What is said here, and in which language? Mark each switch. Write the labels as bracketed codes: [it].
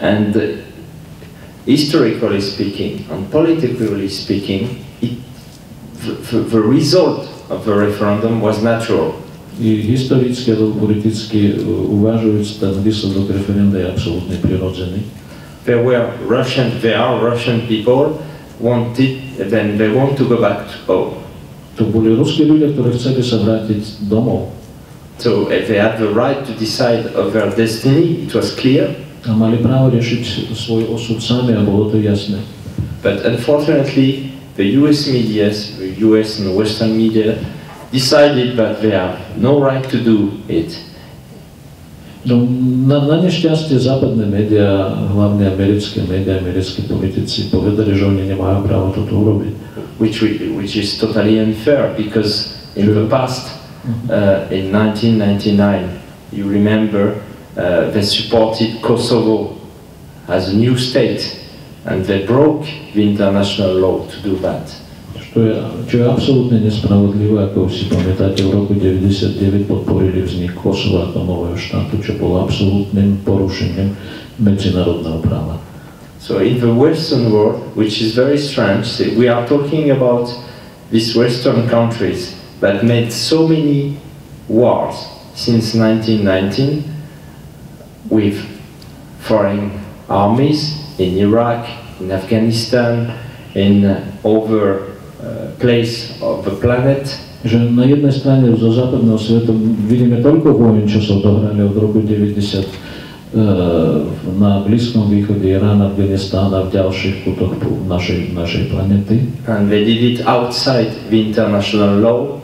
[en] And historically speaking, and politically speaking, the result of the referendum was natural. [sk] I historicky a politicky uvažujúc, ten výsledok referenda je absolútne prirodzený. [en] There were Russian, there are Russian people wanted, then they want to go back to home. [sk] To boli ruskí ľudia, ktorí chceli sa vrátiť domov. [en] So they had the right to decide of their destiny, it was clear. [sk] A mali právo riešiť svoj osud sami a bolo to jasné. [en] But unfortunately, the US media, the US and Western media, decided that they have no right to do it. [sk] No, na nešťastie západné médiá, hlavne americké médiá, americké politici povedali, že oni nemajú právo toto urobiť. [en] Which is totally unfair, because in the past, in 1999, you remember, they supported Kosovo as a new state, and they broke the international law to do that. [sk] Čo je absolútne nespravodlivé, ako si pamätáte, v roku 99 podporili vznik Kosova ako nového štátu, čo bolo absolútnym porušením medzinárodného práva. [en] So in the Western world, which is very strange, we are talking about these Western countries that made so many wars since 1919 with foreign armies in Iraq, in Afghanistan, in over place of the planet. [sk] Že na jednej strane zo západného sveta vidíme toľko vojen, čo sa odohrali od roku 90 na Blízkom východe, Irán, Afganistán a v ďalších kútoch našej planety. [en] And they did it outside the international law.